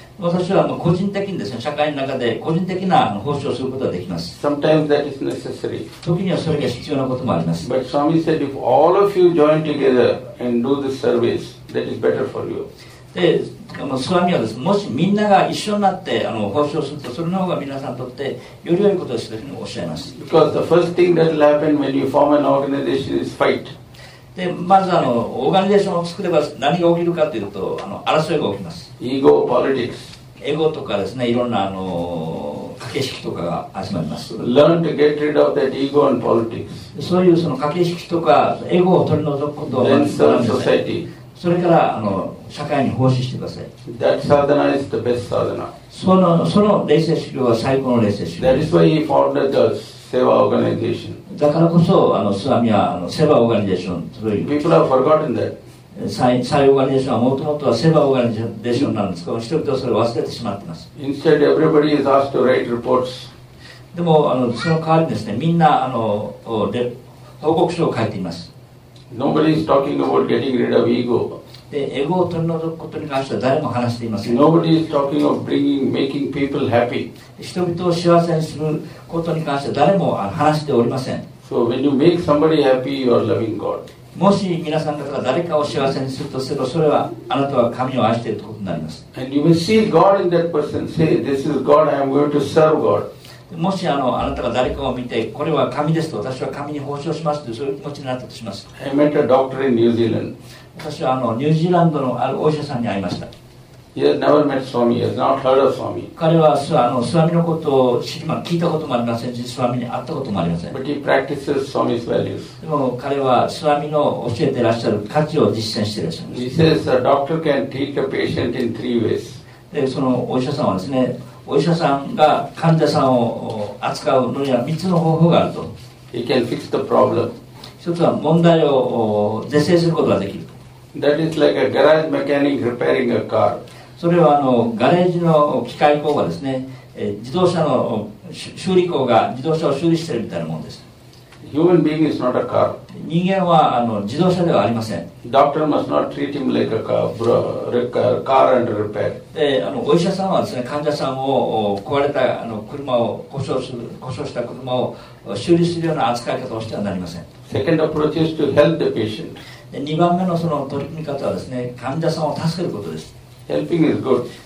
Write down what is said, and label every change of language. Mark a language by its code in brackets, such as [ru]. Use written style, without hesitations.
[ja] 私は個人的にですね、社会の中で個人的な奉仕をすることができます。 [en] Sometimes that is necessary. [ja] 時にはそれが必要なこともあります。 [en] But Swami said, if all of you join together and do this service, that is better for you. [ja] でスワミはです、もしみんなが一緒になって奉仕をすると、それの方が皆さんにとってより良いことですというふうにおっしゃいます。 [en] Because the first thing that will happen when you form an organization is fight. [ja] でまずオーガニゼーションを作れば何が起きるかというと争いが起きます。 [en] Ego politics. [ja] エゴとかですね、いろんな駆け引きとかが始まります。 [en] Learn to get rid of that ego and politics. [ja] そういう駆け引きとかエゴを取り除くことを学びます。それから社会に奉仕してください。 [en] That sadhana is the best sadhana. [ja] その霊性修行は最高の霊性修行。 [en] That is why he founded the seva organization. [ja] だからこそスワミはセバオーガニゼーションという。 [en] People have forgotten that. [ja] サイオーガニゼーションはもともとはセバオーガニゼーションなんですけど、人々はそれを忘れてしまっています。 [en] Instead, everybody is asked to write reports. [ja] でもその代わりにですね、みんな報告書を書いています。 [en] Nobody is talking about getting rid of ego. [ja] で、エゴを取り除くことに関しては誰も話していません。 [en] Nobody is talking of making people happy. [ja] 人々を幸せにすることに関しては誰も話しておりません。 [en] So when you make somebody happy, you are loving God. [ja] もし皆さん方が誰かを幸せにするとすれば、それはあなたは神を愛しているということになります。 [en] And you will see God in that person. Say, this is God, I am going to serve God. [ja] もしあなたが誰かを見て、これは神ですと、私は神に奉仕しますと、そういう気持ちになったとします。 [en] I met a doctor in New Zealand. [ja] 私はニュージーランドのあるお医者さんに会いました。 [en] He has never met Swami, he has not heard of Swami. [ja] 彼はスワミのことを聞いたこともありませんし、スワミに会ったこともありません。 [en] But he practices Swami's values. [ja] でも彼はスワミの教えていらっしゃる価値を実践していらっしゃいます。 [en] He says a doctor can treat a patient in three ways. [ja] で、そのお医者さんはですね、お医者さんが患者さんを扱うのには3つの方法があると。 [en] He can fix the problem. [ja] 一つは問題を是正することができる。 [en] That is like a garage mechanic repairing a car. [ja] それはガレージの機械工がですね、自動車の修理工が自動車を修理しているみたいなものです。 [en] Human being is not a car. [ja] 人間はあの自動車ではありません。 [en] Doctor must not treat him like a car under repair. [ja] で、あのお医者さんはですね、患者さんを壊れたあの車を故障した車を修理するような扱い方をしてはなりません。 [en] Second approach is to help the patient. [ja] で、2番目のその取り組み方はですね、患者さんを助けることです。 [en] Helping is good.